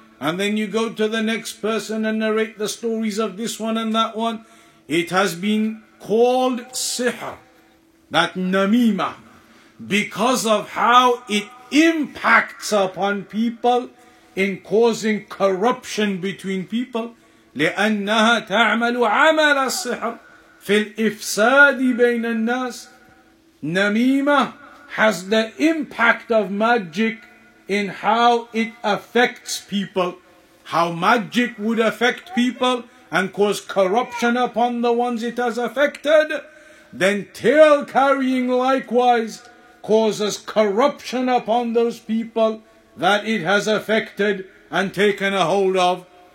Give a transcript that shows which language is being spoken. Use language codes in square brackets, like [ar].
[en] And then you go to the next person and narrate the stories of this one and that one. It has been called sihr, that namima, because of how it impacts upon people in causing corruption between people. [ar] لأنها تعمل عمل السحر في الإفساد بين الناس. [en] Namima has the impact of magic in how it affects people, how magic would affect people and cause corruption upon the ones it has affected. Then tale carrying likewise causes corruption upon those people that it has affected and taken a hold of.